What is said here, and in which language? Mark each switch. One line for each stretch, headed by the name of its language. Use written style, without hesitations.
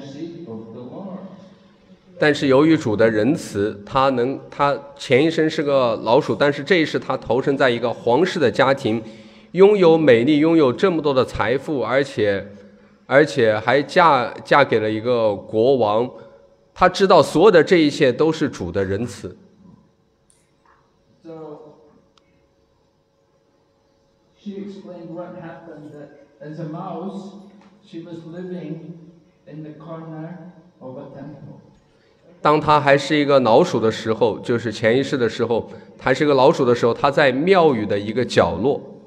English: But she is born in such a royal family. She's a queen, and she has so much opulence, and she's so beautiful, and she knows it's all due to the mercy of the Lord. But she is born in such a royal family.
Chinese: 而且还嫁给了一个国王，他知道所有的这一切都是主的仁慈。
English: So, she explained what happened that as a mouse, she was living in the corner of a temple.
Chinese: 当他还是一个老鼠的时候，就是前一世的时候，他是一个老鼠的时候，他在庙宇的一个角落。